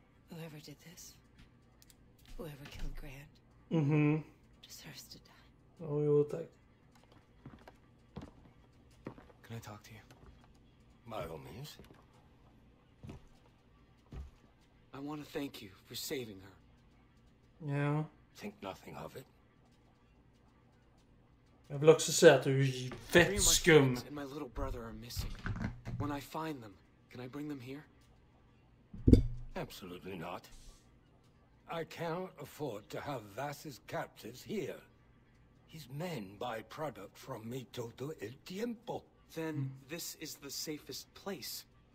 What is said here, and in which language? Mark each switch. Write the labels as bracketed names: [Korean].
[English] Whoever did this, whoever killed Grant, deserves to die. Oh, you will take. Can I talk to you? By all means. I want to thank you for saving her. Yeah. Think nothing of it. [Swedish] Jag vill också säga att du är fett skum. [English] And my little brother are missing. When I find them, can I bring them here? Absolutely not. I cannot afford to have Vass's captives here. His men buy product from me [Spanish] todo el tiempo. [English] Then this is the safest place.